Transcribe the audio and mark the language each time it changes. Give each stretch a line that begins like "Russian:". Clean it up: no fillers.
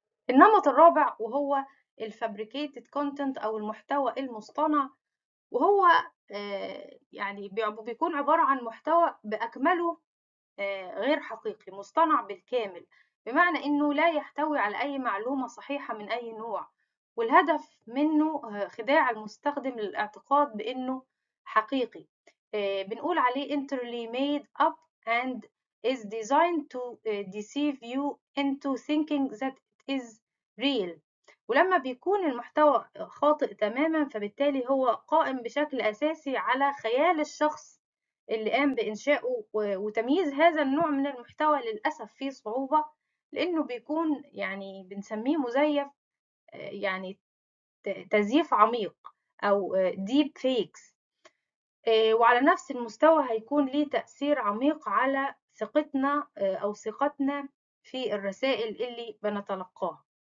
Arabic: النمط الرابع وهو الفابريكيتد كونتنت أو المحتوى المصطنع، وهو يعني بيكون عبارة عن محتوى بأكمله غير حقيقي مصطنع بالكامل، بمعنى إنه لا يحتوي على أي معلومة صحيحة من أي نوع، والهدف منه خداع المستخدم للاعتقاد بأنه حقيقي. بنقول عليه
English: entirely made up and is designed to deceive you into thinking that it is real.
Arabic: ولما بيكون المحتوى خاطئ تماماً، فبالتالي هو قائم بشكل أساسي على خيال الشخص اللي قام بإنشائه. وتمييز هذا النوع من المحتوى للأسف فيه صعوبة، لأنه بيكون يعني بنسميه مزيف، يعني تزييف عميق أو deep fakes، وعلى نفس المستوى هيكون ليه تأثير عميق على ثقتنا أو ثقتنا في الرسائل اللي بنتلقاها.